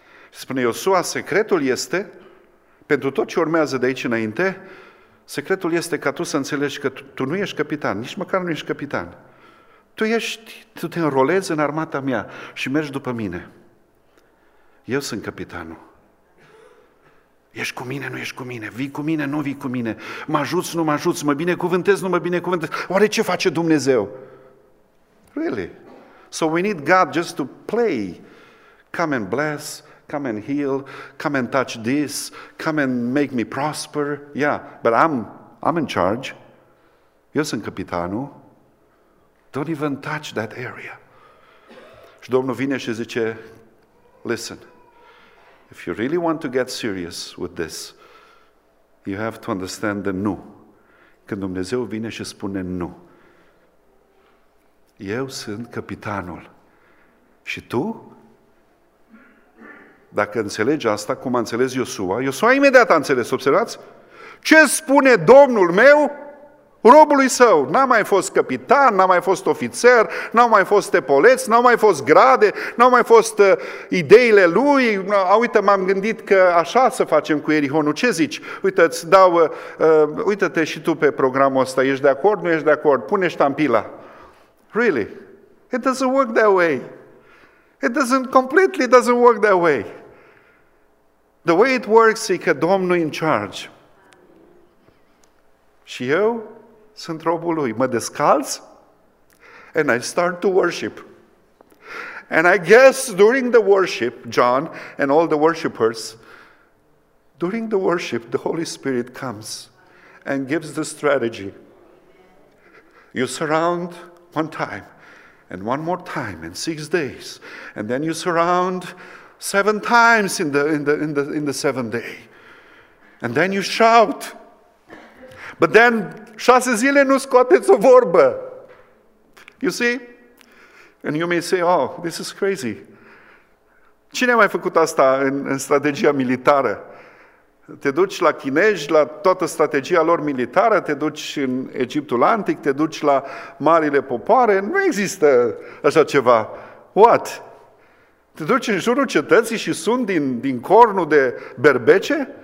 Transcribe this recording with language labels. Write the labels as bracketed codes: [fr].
[ro] Spune Iosua, secretul este, pentru tot ce urmează de aici înainte, secretul este ca tu să înțelegi că tu nu ești capitan, nici măcar nu ești capitan. Tu te înrolezi în armata mea și mergi după mine. Eu sunt capitanul. Ești cu mine, nu ești cu mine, vii cu mine, nu vii cu mine, mă ajuți, nu mă ajuți, mă binecuvântezi, nu mă binecuvântezi. Oare ce face Dumnezeu? [en] Really? So we need God just to play, come and bless, come and heal, come and touch this, come and make me prosper. Yeah, but I'm in charge. [ro] Eu sunt capitanul. [en] Don't even touch that area. [ro] Și Domnul vine și zice, [en] listen, if you really want to get serious with this, You have to understand the nu. [ro] Când Dumnezeu vine și spune nu. Eu sunt capitanul. Și tu? Dacă înțelegi asta, cum a înțeles Iosua, Iosua imediat a înțeles, observați? Ce spune Domnul meu robului său? N-a mai fost capitan, n-a mai fost ofițer, n-au mai fost epoleți, n-au mai fost grade, n-au mai fost ideile lui. Uite, m-am gândit că așa să facem cu Erihonul. Ce zici? Uite, îți dau, uite-te și tu pe programul ăsta. Ești de acord? Nu ești de acord? Pune ștampila. [en] Really? It doesn't work that way. It doesn't completely doesn't work that way. The way it works [ro] e că Domnul e [en] in charge. [ro] Și eu sunt robul lui. Mă descalz [en] and I start to worship. And I guess during the worship, John and all the worshipers, during the worship, the Holy Spirit comes and gives the strategy. You surround one time and one more time in 6 days, and then you surround 7 times in the 7th day, and then you shout. But then [ro] 6 zile nu scoateți o vorbă. [en] You see? And you may say, oh, this is crazy. [ro] Cine a mai făcut asta în strategia militară? Te duci la chinezi, la toată strategia lor militară, te duci în Egiptul Antic, te duci la marile popoare, nu există așa ceva. [en] What? [ro] Te duci în jurul cetății și suni din cornul de berbece?